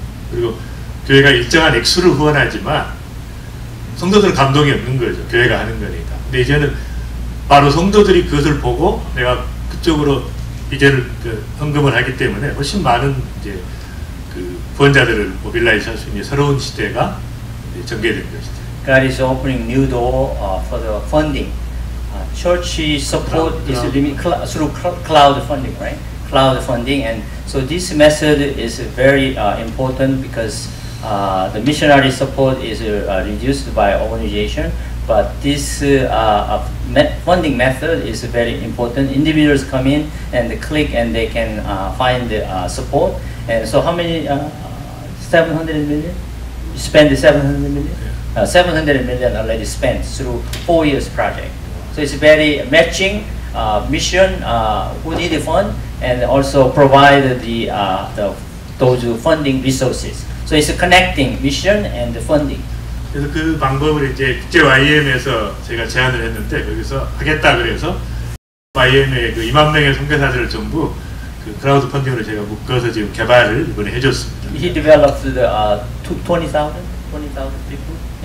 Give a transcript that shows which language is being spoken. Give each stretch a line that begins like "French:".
Korean: 그리고 교회가 일정한 액수를 후원하지만 성도들은 감동이 없는 거죠. 교회가 하는 거니까. 근데 이제는 바로 성도들이 그것을 보고 내가 그쪽으로 이제를 그 헌금을 하기 때문에 훨씬 많은 이제 구원자들을 모빌라이즈할 수 있는 새로운 시대가 전개될 것이다.
English: God is opening new door for the funding. Church support is limited through cloud funding, right? Cloud funding, and so this method is very important because the missionary support is reduced by organization, but this funding method is very important. Individuals come in and click, and they can find support. And so, how many? 700 million. Spend 700 million. Yeah. 700 million already spent through 4 years project. So it's very matching mission who need the fund and also provide the those funding resources. So it's connecting mission and the funding.
Korean: 그래서 그 방법을 이제 국제 YM에서 제가 제안을 했는데 거기서 하겠다 그래서 YM의 그 2만 명의 선교사들을 전부 그 크라우드 펀딩으로 제가 묶어서 지금 개발을 이번에 해줬습니다.
English: He developed the 20,000 people.